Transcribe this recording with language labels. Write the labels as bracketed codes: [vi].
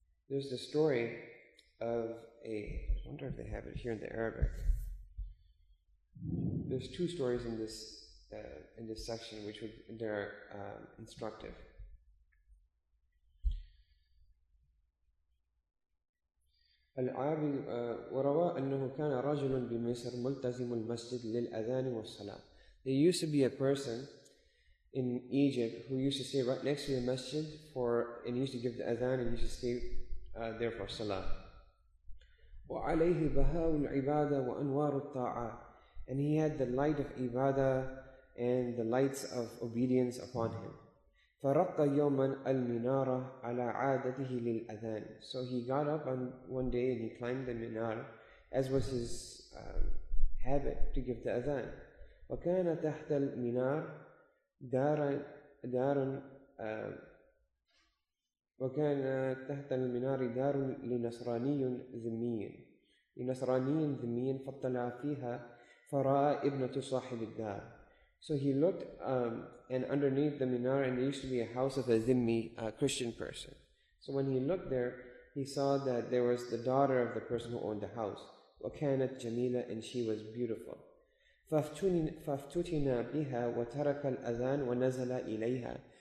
[en] There's the story of a, I wonder if they have it here in the Arabic. There's two stories in this section which would, they're instructive. [ar] العربي وروى أنه كان رجل بمصر ملتزم المسجد للأذان والصلاة. [en] There used to be a person in Egypt who used to stay right next to the masjid for and used to give the adhan and used to stay there for salah. [ar] وعليه بهاء العبادة وأنوار الطاعة. [en] And he had the light of ibadah and the lights of obedience upon him. [ar] فرق يوما المنارة على عادته للأذان. [en] So he got up on one day and he climbed the minar, as was his habit to give the adhan. [ar] وكان تحت المنار دارا وكان تحت المنار دار لنصراني ذمي لنصراني ذمي فطلع فيها فرأى ابنة صاحب الدار. [en] So he looked and underneath the minar, and there used to be a house of a Zimmi, a Christian person. So when he looked there, he saw that there was the daughter of the person who owned the house. [ar] وَكَانَتْ جَمِيلَ [en] and she was beautiful. [ar] فَفْتُتِنَا بِهَا وَتَرَكَ الْأَذَانِ وَنَزَلَ إِلَيْهَا.